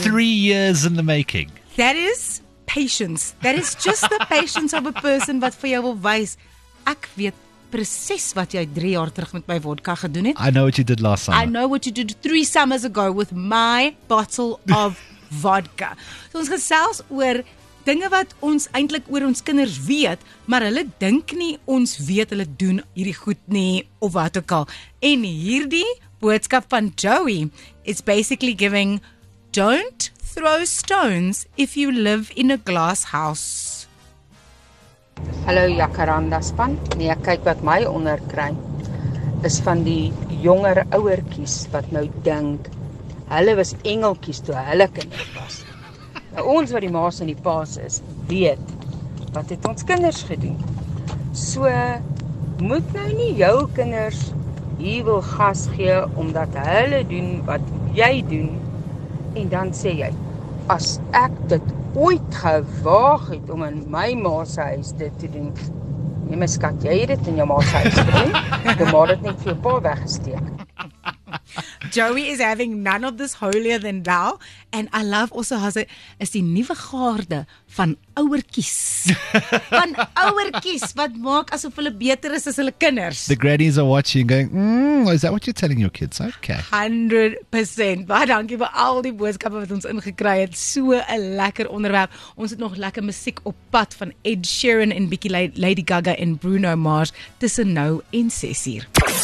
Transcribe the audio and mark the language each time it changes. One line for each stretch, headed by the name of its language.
English: 3 years in the making. That is patience. That is just the patience of a person, but for your advice,
Afrikaans: ek weet precies wat jy 3 jaar terug met my vodka gedoen het.
English: I know what you did last summer. I know what you did 3 summers ago with my bottle of vodka.
Afrikaans: So ons gesels oor dinge wat ons eintlik oor ons kinders weet, maar hulle dink nie ons weet hulle doen hierdie goed nie of wat ook al. En hierdie boodskap van Joey is
English: basically giving don't throw stones if you live in a glass house.
Afrikaans: Hallo Jacaranda span. Nee, kyk wat my onderkry is van die jonger ouertjies wat nou dink hulle was engeltjies toe hulle kinders was. Nou, ons wat die ma's en die pa's is, weet wat het ons kinders gedoen. So moet nou nie jou kinders hier wil gas gee omdat hulle doen wat jy doen en dan sê jy as ek dit ooit gewaag het om in my ma's huis dit te doen. Nee, my skat, jy het dit in jou ma's huis gedoen. Jy maar dit net vir jou pa weggesteek.
English: Joey is having none of this holier than thou. And I love also how it is
Afrikaans: die nuwe gaarde van ouertjies. Van ouertjies wat maak asof hulle beter is as hulle kinders.
English: The grannies are watching going, is that what you're telling your kids? Okay. 100%.
Afrikaans: Baie dankie vir al die boodskappe wat ons ingekry het. So 'n lekker onderwerp. Ons het nog lekker musiek op pad van Ed Sheeran en Bikki Lady Gaga en Bruno Mars tussen nou en 6:00.